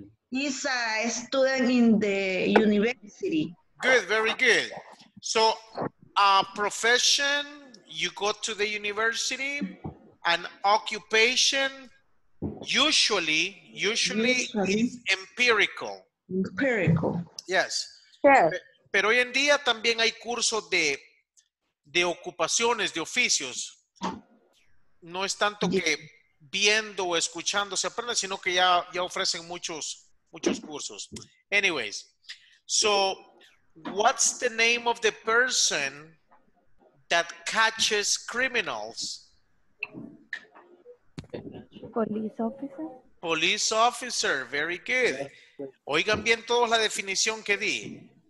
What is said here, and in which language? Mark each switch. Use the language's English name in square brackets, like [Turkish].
[English] He's a student in the university. Good, very good. So, a profession, you go to the university, an occupation, usually is empirical. Empirical. Yes. Yes. [Spanish] Pero hoy en día también hay cursos de ocupaciones, de oficios. No es tanto que viendo o escuchando se aprende, sino que ya ofrecen muchos cursos. [English] Anyways, so what's the name of the person that catches criminals? Police officer. Police officer, very good. [Spanish] Oigan bien todos la definición que di.